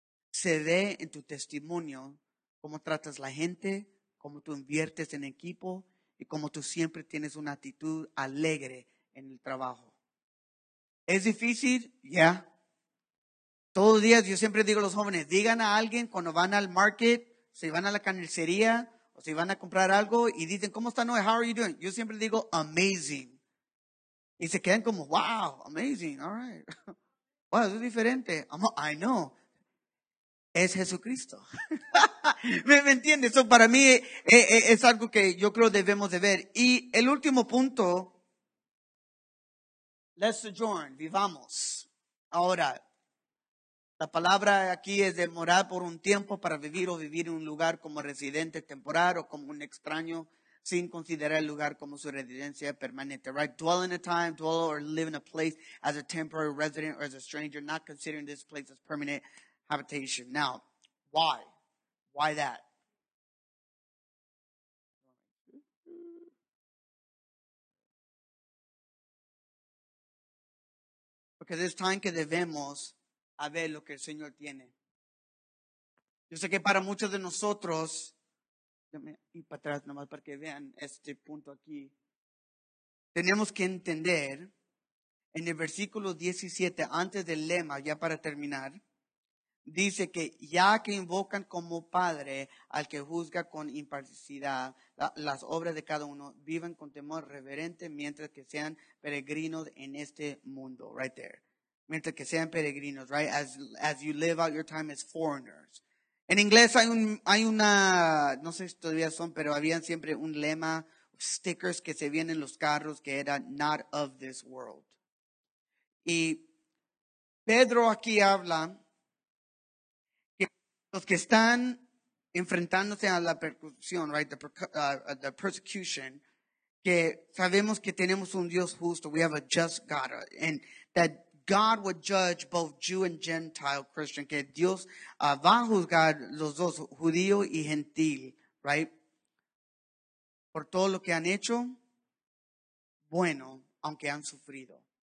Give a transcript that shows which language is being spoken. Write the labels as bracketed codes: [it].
[es] Se ve en tu testimonio cómo tratas la gente, cómo tú inviertes en equipo y cómo tú siempre tienes una actitud alegre en el trabajo. ¿Es difícil? Ya. Todos los días yo siempre digo a los jóvenes, digan a alguien cuando van al market, si van a la carnicería o si van a comprar algo y dicen, ¿cómo están hoy? [en] How are you doing? [es] Yo siempre digo, [en] amazing. [es] Y se quedan como, [en] wow, amazing, all right. [es] Wow, eso es diferente. [en] I know. [es] Es Jesucristo. ¿Me entiendes? Eso para mí es algo que yo creo debemos de ver. Y el último punto. [en] Let's sojourn, [es] vivamos. Ahora, la palabra aquí es de morar por un tiempo para vivir o vivir en un lugar como residente temporal o como un extraño, sin considerar el lugar como su residencia permanente, right? [en] Dwell in a time, dwell or live in a place as a temporary resident or as a stranger, not considering this place as permanent habitation. Now, why? Why that? [es] Porque es time que debemos a ver lo que el Señor tiene. Yo sé que para muchos de nosotros, y para atrás nomás para que vean este punto aquí. Tenemos que entender en el versículo 17, antes del lema, ya para terminar, dice que ya que invocan como padre al que juzga con imparcialidad las obras de cada uno, vivan con temor reverente mientras que sean peregrinos en este mundo, right there. Mientras que sean peregrinos, right? [en] As you live out your time as foreigners. [es] En inglés hay una, no sé si todavía son, pero habían siempre un lema, stickers que se vienen en los carros que era [en] not of this world. [es] Y Pedro aquí habla que los que están enfrentándose a la persecución, right, [en] the persecution, [es] que sabemos que tenemos un Dios justo, [en] we have a just God, and that God would judge both Jew and Gentile Christian, [es] que Dios va a juzgar los dos, judío y gentil, right, por todo lo que han hecho, bueno, aunque han sufrido.